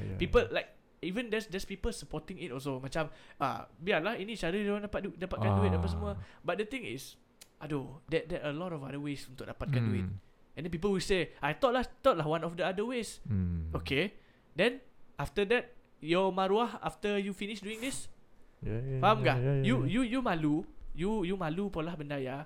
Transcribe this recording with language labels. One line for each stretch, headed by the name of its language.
English: People like, even there's people supporting it also.
Malay: Macam, biarlah ini cara dia orang dapatkan duit apa semua.
English: But the thing is, there are a lot of other ways
Malay: untuk dapatkan duit.
English: And then people will say, I thought lah one of the other ways. Okay. Then after that, your maruah after you finish doing this, you malu, you malu
Malay: polah benda ya.